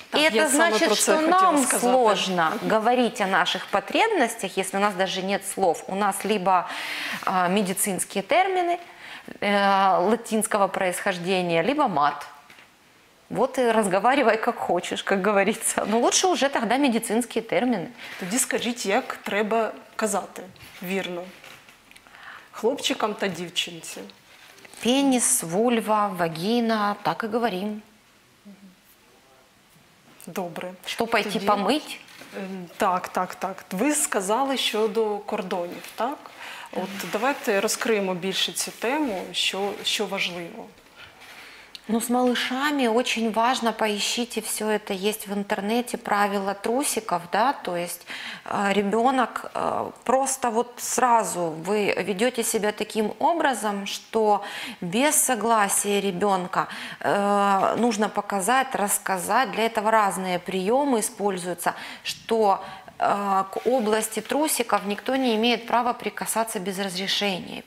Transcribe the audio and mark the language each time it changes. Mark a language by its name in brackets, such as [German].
[Russian] Так, и это значит, что нам сложно говорить о наших потребностях, если у нас даже нет слов. У нас либо медицинские термины латинского происхождения, либо мат. Вот и разговаривай, как хочешь, как говорится. Но лучше уже тогда медицинские термины. [Ukrainian] Тоді скажіть, як треба казати вірно хлопчикам та дівчинці. Пеніс, вульва, вагіна, так і говорим. Добре. Що, пойти тоді... помить? Так, так, так. Ви сказали щодо кордонів, так? От давайте розкриємо більше цю тему, що важливо. [Russian] Ну, с малышами очень важно, поищите, все это есть в интернете, правила трусиков, да, то есть ребенок просто вот сразу, вы ведете себя таким образом, что без согласия ребенка нужно показать, рассказать, для этого разные приемы используются, что к области трусиков никто не имеет права прикасаться без разрешения.